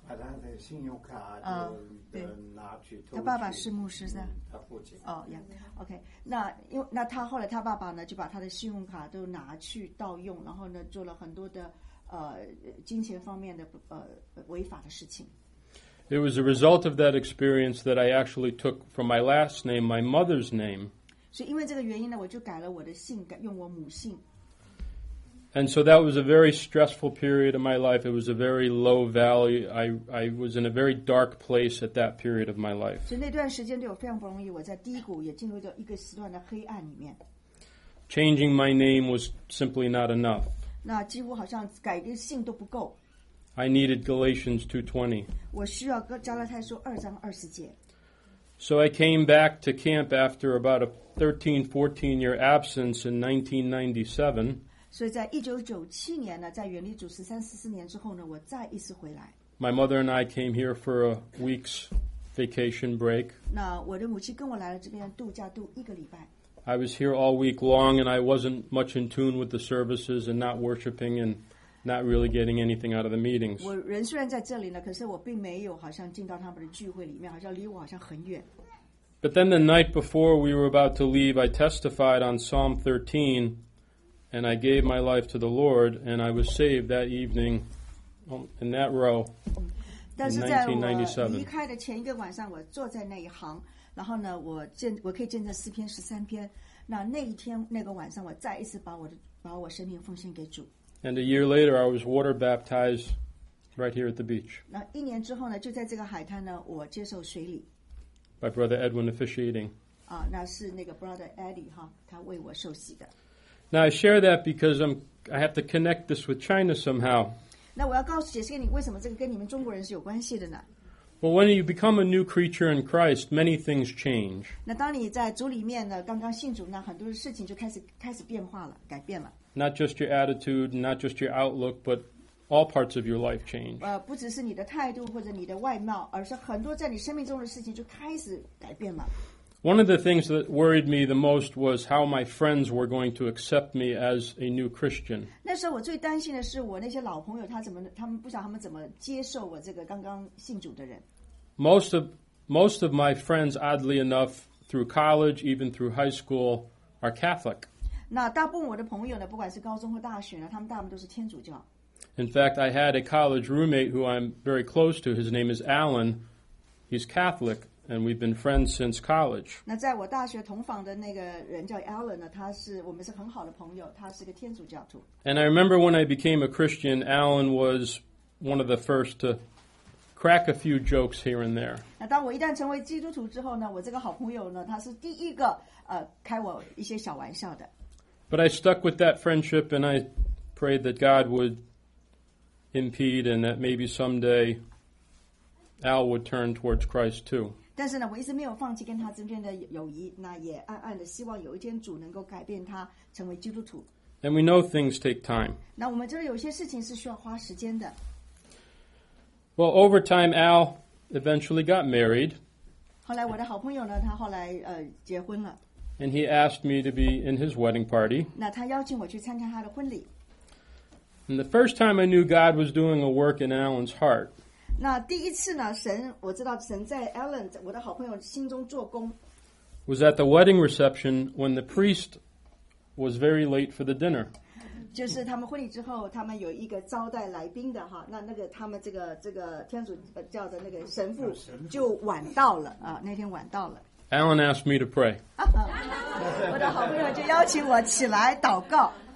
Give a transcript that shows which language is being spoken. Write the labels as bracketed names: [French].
[Chinese] 把他的信用卡他爸爸是牧师的，他父亲。哦，呀 ，OK， 那他后来他爸爸呢，就把他的信用卡都拿去盗用，然后呢，做了很多的金钱方面的违法的事情。 [English] It was a result of that experience that I actually took from my last name, my mother's name. [Chinese] 所以因为这个原因呢，我就改了我的姓，用我母姓。 [English] And so that was a very stressful period of my life. It was a very low valley. I was in a very dark place at that period of my life. [Chinese] 所以那段时间对我非常不容易，我在低谷，也进入到一个时段的黑暗里面。 [English] Changing my name was simply not enough. [Chinese] 那几乎好像改个信都不够。 [English] I needed Galatians 2:20. [Chinese] 我需要加拉太书二章二十节。 [English] So I came back to camp after about a 13-14 year absence in 1997. [Chinese] 所以在1997年呢，在远离主13-14年之后呢，我再一次回来。 [English] My mother and I came here for a week's vacation break. [Chinese] 那我的母亲跟我来了这边度假度一个礼拜。 [English] I was here all week long, and I wasn't much in tune with the services and not worshiping and not really getting anything out of the meetings. [Chinese] 我人虽然在这里呢，可是我并没有好像进到他们的聚会里面，好像离我好像很远。 [English] But then the night before we were about to leave, I testified on Psalm 13, and I gave my life to the Lord, and I was saved that evening in that row in 1997. [Chinese] 但是在我离开的前一个晚上，我坐在那一行。然后呢，我可以见证诗篇十三篇。那一天那个晚上，我再一次把我生命奉献给主。 [English] And a year later, I was water baptized right here at the beach. [Chinese] 那一年之后呢，就在这个海滩呢，我接受水礼。 [English] By Brother Edwin officiating. [Chinese] 啊，那是那个 Brother Eddie 哈，他为我受洗的。 [English] Now I share that because I have to connect this with China somehow. [Chinese] 那我要告诉解释给你，为什么这个跟你们中国人是有关系的呢？ [English] Well, when you become a new creature in Christ, many things change. [Chinese] 那当你在主里面呢，刚刚信主呢，很多事情就开始变化了，改变了。 [English] Not just your attitude, not just your outlook, but all parts of your life change. [Chinese] 不只是你的态度或者你的外貌，而是很多在你生命中的事情就开始改变了。 [English] One of the things that worried me the most was how my friends were going to accept me as a new Christian. [Chinese] 那时候我最担心的是我那些老朋友，他们不晓得他们怎么接受我这个刚刚信主的人。 [English] Most of my friends, oddly enough, through college, even through high school, are Catholic. [Chinese] 那大部分我的朋友呢，不管是高中或大学呢，他们大部分都是天主教。 [English] In fact, I had a college roommate who I'm very close to. His name is Alan. He's Catholic. And we've been friends since college. [Chinese] 那在我大学同房的那个人叫 Alan 呢，我们是很好的朋友，他是个天主教徒。 [English] And I remember when I became a Christian, Alan was one of the first to crack a few jokes here and there. [Chinese] 那当我一旦成为基督徒之后呢，我这个好朋友呢，他是第一个开我一些小玩笑的。 [English] But I stuck with that friendship, and I prayed that God would impede, and that maybe someday Al would turn towards Christ too. [Chinese] 但是呢，我一直没有放弃跟他之间的友谊，那也暗暗的希望有一天主能够改变他成为基督徒。 [English] And we know things take time. [Chinese] 那我们知道有些事情是需要花时间的。 [English] Well, over time, Al eventually got married. [Chinese] 后来我的好朋友呢，他后来结婚了。 [English] And he asked me to be in his wedding party. [Chinese] 那他邀请我去参加他的婚礼。 [English] And the first time I knew God was doing a work in Alan's heart. [Chinese] 那第一次呢，神，我知道神在 Alan 我的好朋友心中做工。 [English] Was at the wedding reception when the priest was very late for the dinner. [Chinese] 就是他们婚礼之后，他们有一个招待来宾的哈，那个他们这个天主教的那个神父就晚到了啊，那天晚到了。 [English] Alan asked me to pray. [Chinese] 我的好朋友就邀请我起来祷告。